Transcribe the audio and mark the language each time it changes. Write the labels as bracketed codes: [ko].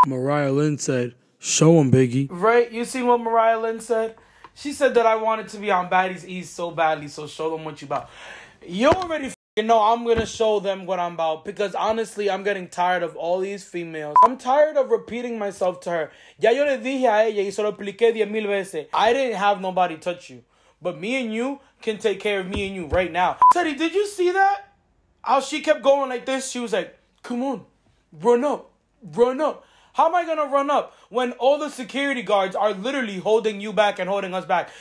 [en] Mariah Lynn said, show him, Biggie. Right? You seen what Mariah Lynn said? She said that I wanted to be on Baddies East so badly, so show them what you about. You already know I'm gonna show them what I'm about. Because honestly, I'm getting tired of all these females. I'm tired of repeating myself to her. [es] Ya yo le dije a ella y se lo expliqué 10,000 veces. [en] I didn't have nobody touch you. But me and you can take care of me and you right now. Teddy, did you see that? How she kept going like this. She was like, come on, run up, run up. How am I gonna run up when all the security guards are literally holding you back and holding us back?